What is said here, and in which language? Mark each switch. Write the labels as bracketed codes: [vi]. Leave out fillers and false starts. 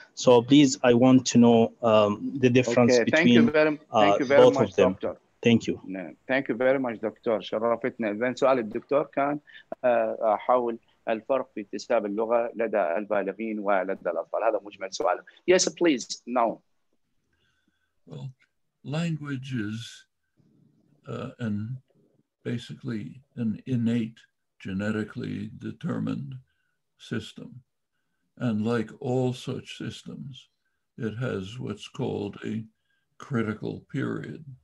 [en] So please, I want to know the difference between both of them. Thank you. Thank you very much, doctor. [ar] شرفتنا. إذن سؤال الدكتور كان حول الفرق في اكتساب اللغة لدى البالغين ولدى الأطفال. هذا مجمل سؤال. [en] Yes, please. No. Well, language is an basically an innate, genetically determined system. And like all such systems, it has what's called a critical period.